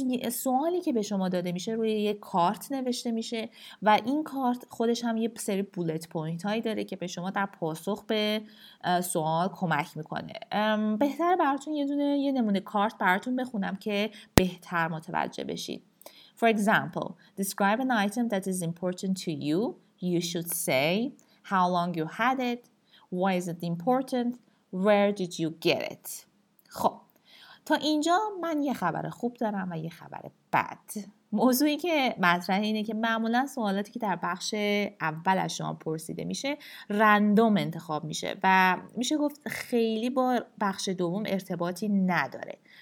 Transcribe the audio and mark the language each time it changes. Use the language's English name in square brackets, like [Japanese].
[Persian] سوالی که به شما داده میشه روی یه کارت نوشته میشه و این کارت خودش هم یه سری بولت پوینت هایی داره که به شما در پاسخ به سوال کمک میکنه. بهتر براتون یه دونه یه نمونه کارت براتون بخونم که بهتر متوجه بشید. [English] For example, describe an item that is important to you. You should say how long you had it, why is it important, where did you get it. [Persian] خب تا اینجا من یه خبر خوب دارم و یه خبر بد. موضوعی که مطرح اینه که معمولا سوالاتی که در بخش اول از شما پرسیده میشه رندوم انتخاب میشه و میشه گفت خیلی با بخش دوم ارتباطی نداره.